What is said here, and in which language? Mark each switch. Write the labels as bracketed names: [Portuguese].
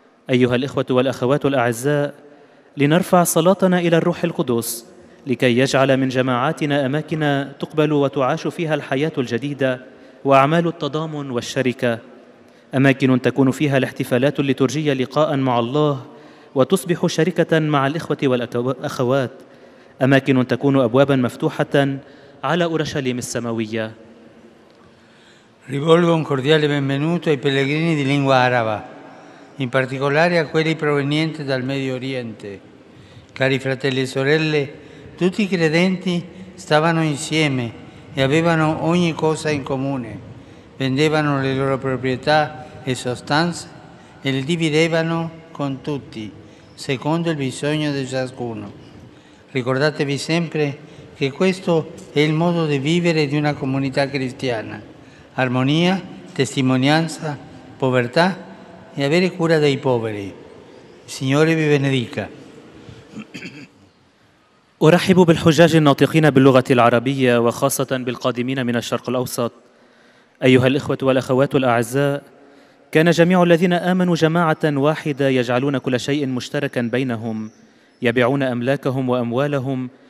[Arabic] أيها الإخوة والأخوات الأعزاء، لنرفع صلاتنا إلى الروح القدس لكي يجعل من جماعاتنا أماكن تقبل وتعاش فيها الحياة الجديدة وأعمال التضامن والشركة، أماكن تكون فيها الاحتفالات الليتورجية لقاء مع الله وتصبح شركة مع الإخوة والأخوات، أماكن تكون أبوابا مفتوحة على أورشليم السماوية. [Italian] Rivolgo un cordiale benvenuto ai pellegrini di lingua araba, in particolare a quelli provenienti dal Medio Oriente. Cari fratelli e sorelle, tutti i credenti stavano insieme e avevano ogni cosa in comune. Vendevano le loro proprietà e sostanze e le dividevano con tutti, secondo il bisogno di ciascuno. Ricordatevi sempre che questo è il modo di vivere di una comunità cristiana: armonia, testimonianza, povertà e avere cura dei poveri. Signore vi benedica. [Arabic] أرحب بالحجاج الناطقين باللغة العربية وخاصة بالقادمين من الشرق الأوسط. أيها الإخوة والأخوات الأعزاء، كان جميع الذين آمنوا جماعة واحدة يجعلون كل شيء مشتركا بينهم، يبيعون أملاكهم وأموالهم